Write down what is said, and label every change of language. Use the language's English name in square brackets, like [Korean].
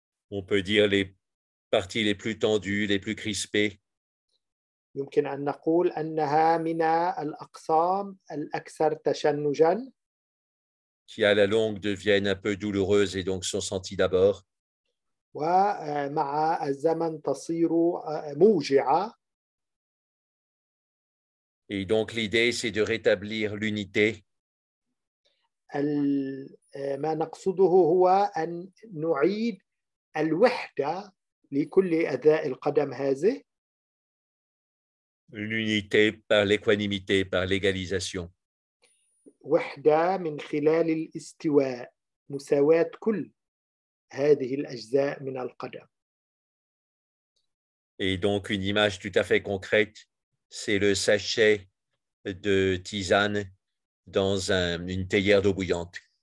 [French] On peut dire les parties les plus tendues, les plus crispées. [Arabic] يمكن أن نقول أنها من الأقسام الأكثر تشنجاً. [French] Qui à la longue deviennent un peu douloureuses et donc sont senties d'abord. [Arabic] ومع الزمن تصير موجعة. [French] Et donc l'idée c'est de rétablir l'unité. [Arabic] ما نقصده هو أن نعيد الوحدة لكل أداء القدم هذه. [French] L'unité par l'équanimité, par l'égalisation. [Arabic] وحدة من خلال الاستواء مساواة كل هذه الأجزاء من القدم. [French] Et donc une image tout à fait concrète, c'est le sachet de tisane dans une théière d'eau bouillante.